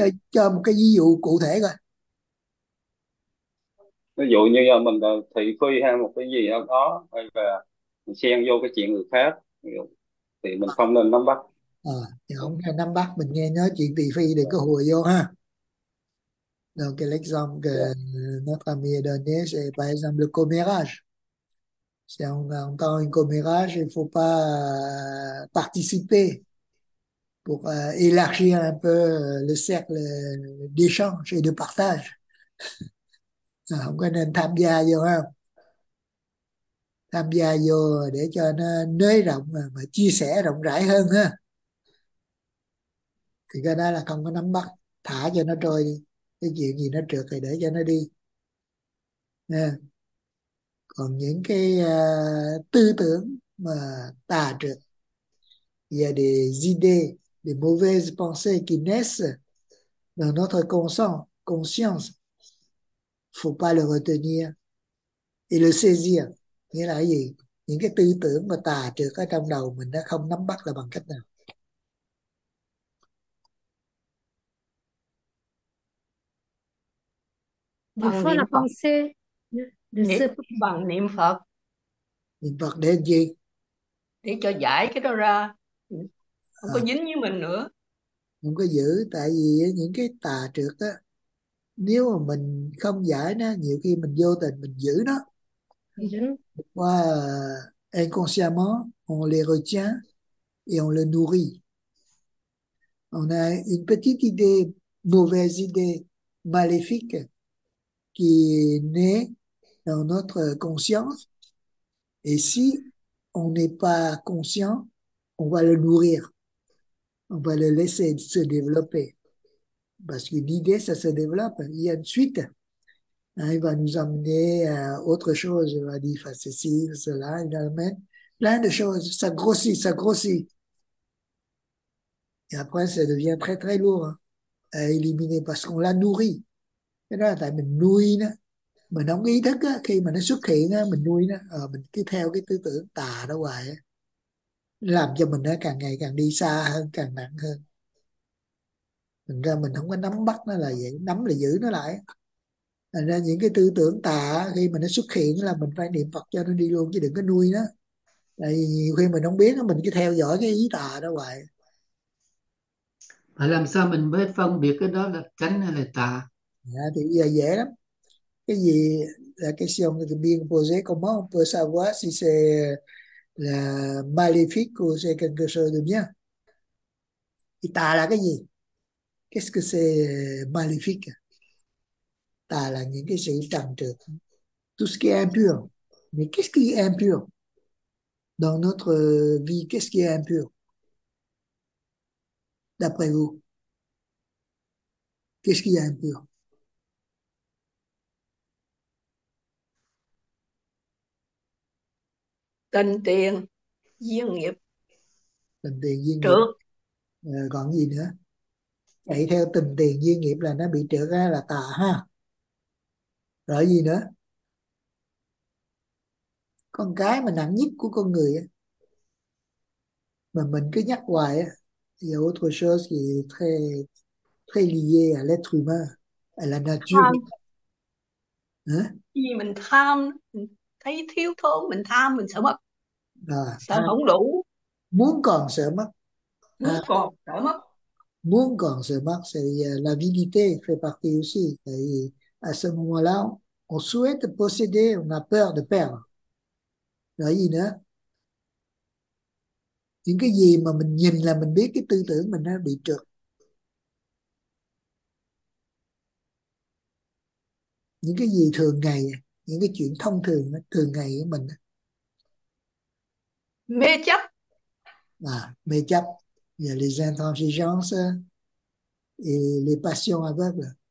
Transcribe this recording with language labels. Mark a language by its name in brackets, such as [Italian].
[Vietnamese] Cho một cái ví dụ cụ thể coi. Ví dụ như mình thị phi hay một cái gì đó, hay là mình xen vô cái chuyện người khác thì mình không nên nắm bắt. Thì không nên nắm bắt, mình nghe nói chuyện thị phi để có hùa vô ha. [French] Donc l'exemple que notre ami a donné, c'est par exemple le commérage. Si on entend un commérage, il ne faut pas participer pour élargir un peu le cercle d'échange et de partage. On peut même [Vietnamese] tham gia vô, [French] hein? [Vietnamese] Tham gia vô để cho nó nới rộng và chia sẻ rộng rãi hơn ha. Thì cái đó là không có nắm bắt, thả cho nó trôi đi. Cái chuyện gì nó trượt thì để cho nó đi. Còn những cái tư tưởng mà tà trượt, [French] il y a des idées, des mauvaises pensées qui naissent dans notre conscience, faut pas le retenir et le saisir. [Vietnamese] Nghĩa là gì? Những cái tư tưởng mà tà trượt ở trong đầu mình nó không nắm bắt là bằng cách nào? Bằng niệm là Phật. Bằng niệm Phật. Niệm Phật để gì? Để cho giải cái đó ra. Không có dính với mình nữa. Không có giữ. Tại vì những cái tà trượt á, nếu mà mình không giải nó, nhiều khi mình vô tình mình giữ nó. [French] Qua inconsciemment, on les retient et on les nourrit. On a une petite idée, mauvaise idée, maléfique, qui naît dans notre conscience, et si on n'est pas conscient, on va le nourrir, on va le laisser se développer, parce qu'une idée, ça se développe, il y a une suite, hein, il va nous amener à autre chose, il va dire, enfin, ceci, cela, il va amener plein de choses, ça grossit, ça grossit, et après ça devient très très lourd, hein, à éliminer, parce qu'on l'a nourri. [Vietnamese] Cái đó là tại mình nuôi nó, mình không ý thức á, khi mà nó xuất hiện á, mình nuôi nó, mình cứ theo cái tư tưởng tà đó hoài á, làm cho mình nó càng ngày càng đi xa hơn, càng nặng hơn. Thành ra mình không có nắm bắt nó là vậy, nắm là giữ nó lại. Thành ra những cái tư tưởng tà khi mà nó xuất hiện là mình phải niệm Phật cho nó đi luôn, chứ đừng có nuôi nó. Tại vì nhiều khi mình không biết, mình cứ theo dõi cái ý tà đó hoài. Mà làm sao mình mới phân biệt cái đó là chánh hay là tà? Thì bây giờ dễ lắm. Cái gì là cái [French] si on bien posé, comment on peut savoir si c'est là maléfique ou c'est quelque chose de bien? [Vietnamese] Thì tà là cái gì? [French] Qu'est-ce que c'est maléfique? [Vietnamese] Tà là những cái sự trần trượt. [French] Tout ce qui est impur. Mais qu'est-ce qui est impur? Dans notre vie, qu'est-ce qui est impur? D'après vous, qu'est-ce qui est impur? [Vietnamese] Tình tiền, duyên nghiệp. Tình tiền, duyên trượt. Nghiệp. Trượt. Còn gì nữa? Chạy theo tình tiền, duyên nghiệp là nó bị trượt ra là tà ha. Rồi gì nữa? Con cái mà nặng nhất của con người á. Mà mình cứ nhắc hoài á. [French] Il y a autre chose qui est très, très liée à l'être humain, à la nature. [Vietnamese] Tham. Vì mình tham, thấy thiếu thốn, mình tham, mình sợ mất. Sợ không đủ. Muốn còn sợ mất. Muốn còn sợ mất. Muốn còn sợ mất, [French] c'est l'avidité fait partie aussi. Et à ce moment-là, on souhaite posséder, on a peur de perdre. [Vietnamese] Rồi gì nữa? Những cái gì mà mình nhìn là mình biết cái tư tưởng mình nó bị trượt. những cái gì thường ngày, những cái chuyện thông thường thường ngày của mình. Mê chấp. À, mê chấp. [French] Les intransigences et les passions aveugles.